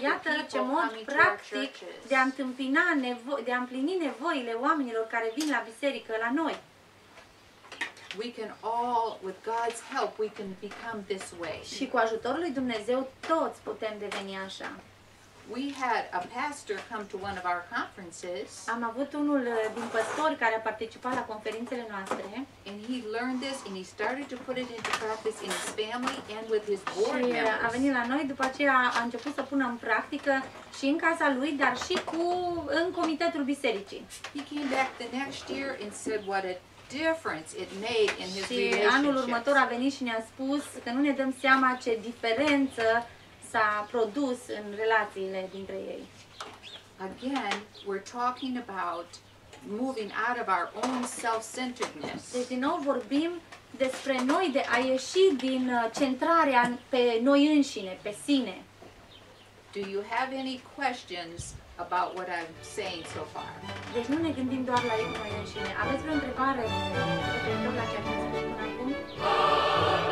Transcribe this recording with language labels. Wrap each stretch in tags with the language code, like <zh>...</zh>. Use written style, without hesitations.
<ro>iată</ro> <en>the people</en> <ro>ce mod practic de a întâmpina de a împlini nevoile oamenilor care vin la biserică la noi.</ro> <en>We can all, with God's help, we can become this way.</en> <ro>Și cu ajutorul lui Dumnezeu toți putem deveni așa.</ro> <en>We had a pastor come to one of our conferences.</en> <ro>Am avut unul din păstori care a participat la conferințele noastre.</ro> <en>And he learned this and he started to put it into practice in his family and with his board members.</en> <ro>Și a venit la noi, după aceea a început să pună în practică și în casa lui, dar și cu în comitetul bisericii.</ro> <en>He came back the next year and said what a difference it made in his relationship.</en> <ro>Și anul următor a venit și ne-a spus că nu ne dăm seama ce diferență s-a produs în relațiile dintre ei.</ro> <en>Again, we're talking about moving out of our own self-centeredness.</en> <ro>Deci din nou vorbim despre noi, de a ieși din centrarea pe noi înșine, pe sine.</ro> <en>Do you have any questions about what I'm saying so far?</en> <ro>Deci nu ne gândim doar la noi înșine. Aveți vreo întrebare?</ro>